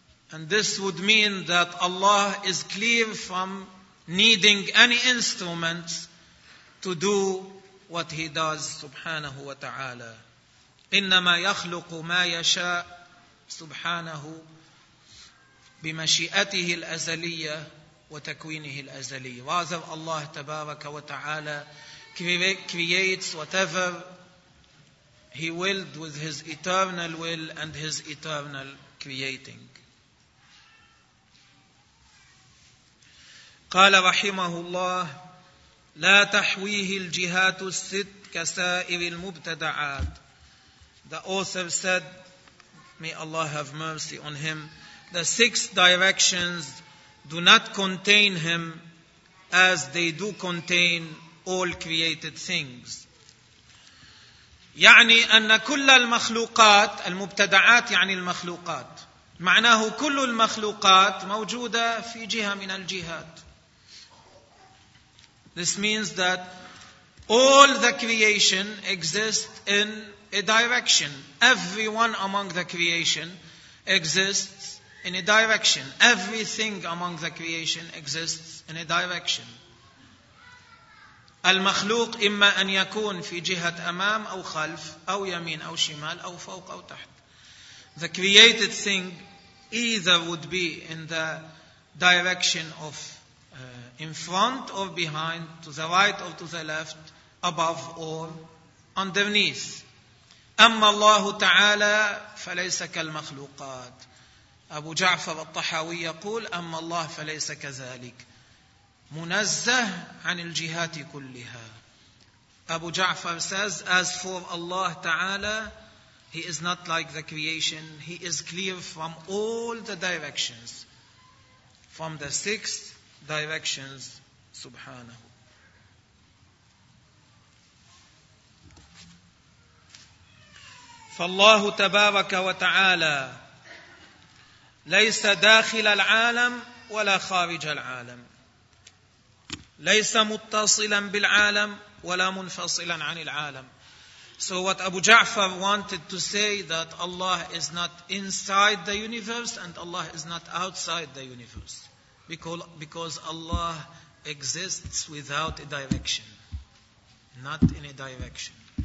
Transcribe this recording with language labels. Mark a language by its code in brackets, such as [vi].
[en] And this would mean that Allah is clear from needing any instruments to do what He does, [ar] subhanahu wa ta'ala. إِنَّمَا يَخْلُقُ مَا يَشَاءُ سُبْحَانَهُ بِمَشِئَتِهِ الْأَزَلِيَّةِ وتكوينه الأزلي. [en] Rather, Allah [ar] تبارك وتعالى [en] creates whatever He willed with His eternal will and His eternal creating. [ar] قال رحمه الله لا تحويه الجهات الست كسائر المبتدعات. [en] The author said, may Allah have mercy on him, the six directions do not contain him as they do contain all created things. [ar] يعني أن كل المخلوقات المبتدعات يعني المخلوقات معناه كل المخلوقات موجودة في جهة من الجهات. [en] This means that all the creation exists in a direction. Everyone among the creation exists in a direction. Everything among the creation exists in a direction. [ar] المخلوق إما أن يكون في جهة أمام أو خلف أو يمين أو شمال أو فوق أو تحت. [en] The created thing either would be in the direction of in front or behind, to the right or to the left, above or underneath. [ar] أما الله تعالى فليس كالمخلوقات. أبو جعفر الطحاوي يقول أما الله فليس كذلك منزه عن الجهات كلها. [en] أبو جعفر says as for Allah Ta'ala He is not like the creation, He is clear from all the directions, from the six directions, subhanahu. [ar] فالله تبارك وتعالى ليس داخل العالم ولا خارج العالم ليس متصلا بالعالم ولا منفصلا عن العالم. [en] So what Abu Ja'far wanted to say that Allah is not inside the universe and Allah is not outside the universe because Allah exists without a direction, not in a direction.